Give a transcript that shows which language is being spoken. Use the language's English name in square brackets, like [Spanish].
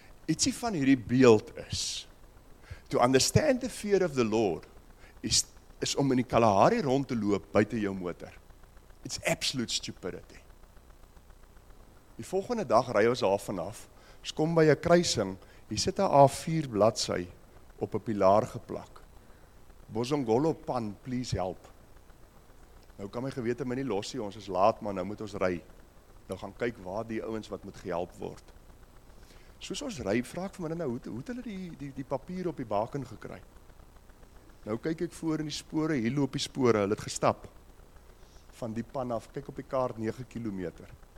[Afrikaans] Ietsie van hierdie beeld is, [English] to understand the fear of the Lord [Afrikaans] is om in die Kalahari rond te loop buite jou motor. [English] It's absolute stupidity. [Afrikaans] Die volgende dag ry ons daar vanaf. Ons kom by 'n kruising, hier sit 'n A4 bladsy op 'n pilaar geplak. [English] Bosongolo Pan, please help. [Afrikaans] Nou kan my gewete my nie losie, ons is laat, maar nou moet ons ry. Nou gaan kyk waar die ouens wat moet gehelp word. Soos ons ry, vra ek vir my nou, hoe het hulle die papier op die baken gekry? Nou kyk ek voor in die spore, hier loop die spore, hulle het gestap. Van die pan af, kyk op die kaart, 9 kilometer.